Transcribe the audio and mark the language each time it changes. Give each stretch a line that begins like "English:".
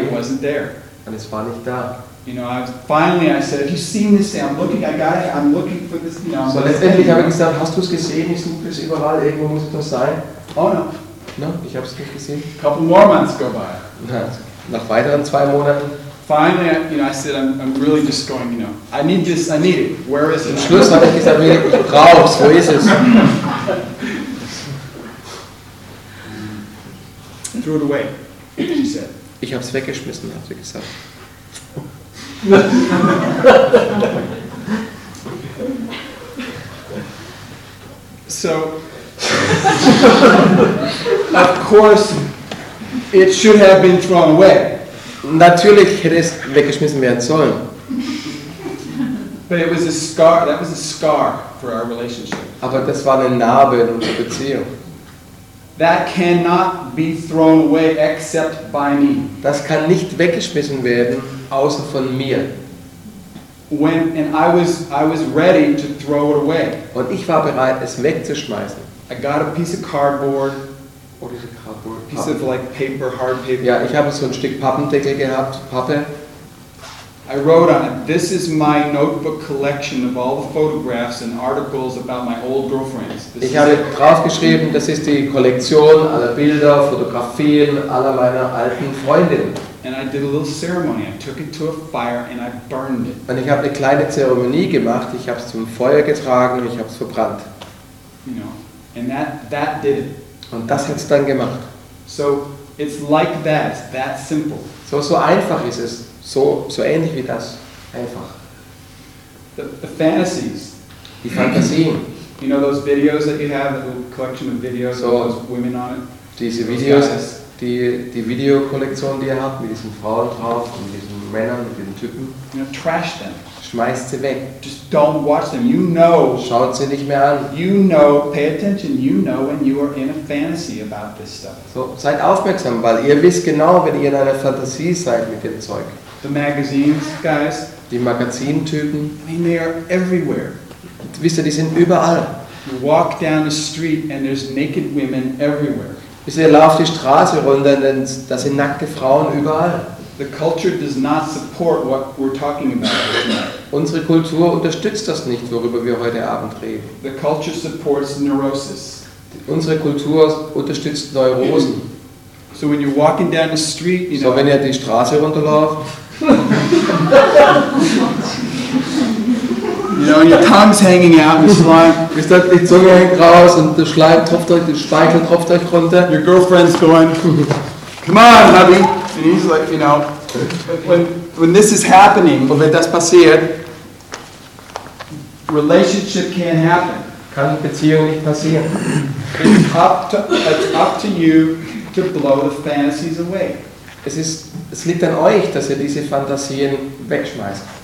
English: And it wasn't there.
German: Und es war nicht da.
English: You know, I said, have you seen this thing? I'm looking, I got it, I'm looking for this thing.
German: So letztendlich habe ich gesagt, hast du es gesehen? Ich suche es überall, irgendwo muss es doch sein.
English: Oh no.
German: No, ich habe es nicht gesehen.
English: A couple more months go by.
German: Nach weiteren zwei Monaten.
English: Finally, you know, I said, I'm really just going, you know, I need this, I need it. Where is it?
German: Am Schluss habe ich gesagt, ich brauche es, wo ist es?
English: Threw it away, she said.
German: Ich habe es weggeschmissen, hat sie gesagt.
English: So, of course, it should have been thrown away.
German: Natürlich hätte es weggeschmissen werden sollen.
English: But it was a scar. That was a scar for our relationship.
German: Aber das war eine Narbe in unserer Beziehung.
English: That cannot be thrown away except by me.
German: Das kann nicht weggeschmissen werden außer von mir.
English: When and I was ready to throw it away.
German: Und ich war bereit, es wegzuschmeißen.
English: I got a piece of cardboard. What is it, cardboard? Piece Pappen. Of like paper, hard paper.
German: Ja, ich habe so ein Stück Pappendeckel gehabt, Pappe.
English: I wrote on it, this is my notebook collection of all the photographs and articles about my old girlfriends.
German: Ich habe draufgeschrieben, das ist die Kollektion aller Bilder, Fotografien aller meiner alten Freundinnen.
English: And I did a little ceremony. I took it to a fire and I burned it.
German: Und ich habe eine kleine Zeremonie gemacht. Ich habe es zum Feuer getragen und ich habe es verbrannt.
English: You know, and that did it.
German: Und das hat es dann gemacht.
English: So it's like that. It's that simple.
German: So einfach ist es. So ähnlich wie das. Einfach.
English: The fantasies.
German: Die Fantasien.
English: You know those videos that you have, the collection of videos of those women on it.
German: Diese Videos. Die Videokollektion, die ihr habt, mit diesen Frauen drauf, mit diesen Männern, mit diesen Typen.
English: You know, trash them.
German: Schmeißt sie weg.
English: Just don't watch them. You know.
German: Schaut sie nicht mehr an.
English: You know, pay attention. You know when you are in a fantasy about this stuff.
German: So, seid aufmerksam, weil ihr wisst genau, wenn ihr in einer Fantasie seid mit dem Zeug.
English: The magazines, guys.
German: Die Magazintypen.
English: I mean, they are everywhere.
German: Wisst ihr, die sind überall.
English: You walk down the street and there's naked women everywhere.
German: Ihr lauft die Straße runter, denn da sind nackte Frauen überall.
English: The culture does not support what we're talking about tonight.
German: Unsere Kultur unterstützt das nicht, worüber wir heute Abend reden.
English: The culture supports neurosis.
German: Unsere Kultur unterstützt Neurosen.
English: So when you're walking down the street, you know,
German: so wenn ihr die Straße runterlauft,
English: you know, and your tongue's hanging out and slime.
German: Ist die Zunge hängt raus und der Schleim tropft euch, der Speichel tropft euch runter.
English: Your girlfriend's going, come on, hubby. And he's like, you know, when this is happening,
German: und wenn das passiert,
English: relationship can't happen.
German: Kann Beziehung nicht passieren.
English: It's up to you to blow the fantasies away.
German: Es liegt an euch, dass ihr diese Fantasien wegschmeißt.